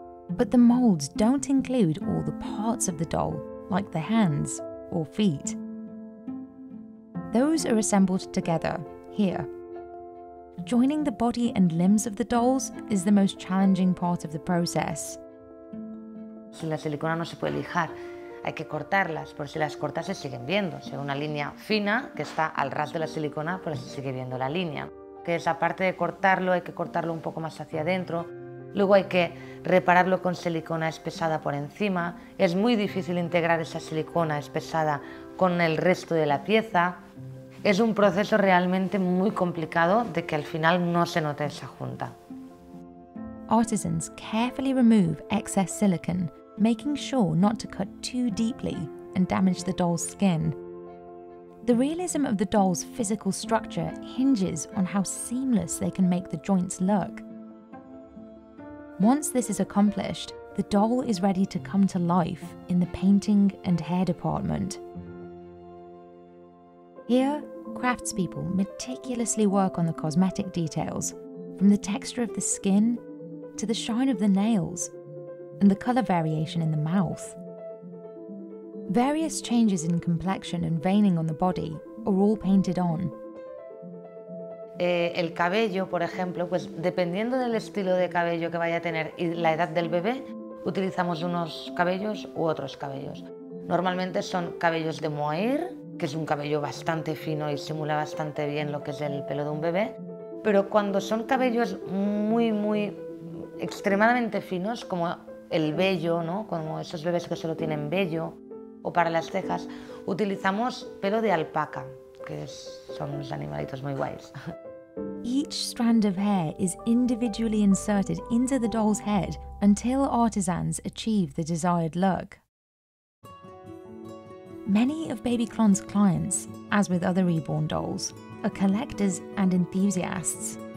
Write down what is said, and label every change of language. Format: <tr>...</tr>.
<en>But the molds don't include all the parts of the doll, like the hands or feet. Those are assembled together here. Joining the body and limbs of the dolls is the most challenging part of the process.</en> <es>Si la silicona no se puede lijar, hay que cortarlas, por si las cortas se siguen viendo. Si hay una línea fina que está al ras de la silicona, pues se sigue viendo la línea. Que es aparte de cortarlo, hay que cortarlo un poco más hacia adentro. Luego hay que repararlo con silicona espesada por encima. Es muy difícil integrar esa silicona espesada con el resto de la pieza. Es un proceso realmente muy complicado de que al final no se note esa junta.</es> <en>Artisans carefully remove excess silicon, making sure not to cut too deeply and damage the doll's skin. The realism of the doll's physical structure hinges on how seamless they can make the joints look. Once this is accomplished, the doll is ready to come to life in the painting and hair department. Here, craftspeople meticulously work on the cosmetic details, from the texture of the skin to the shine of the nails and the color variation in the mouth. Various changes in complexion and veining on the body are all painted on.</en> <es>El cabello, por ejemplo, pues dependiendo del estilo de cabello que vaya a tener y la edad del bebé, utilizamos unos cabellos u otros cabellos. Normalmente son cabellos de mohair, que es un cabello bastante fino y simula bastante bien lo que es el pelo de un bebé, pero cuando son cabellos muy, muy extremadamente finos, como el vello, ¿no? Como esos bebés que solo tienen vello, o para las cejas, utilizamos pelo de alpaca, que son unos animalitos muy guays.</es> <en>Each strand of hair is individually inserted into the doll's head until artisans achieve the desired look. Many of Babyclon's clients, as with other Reborn dolls, are collectors and enthusiasts.</en>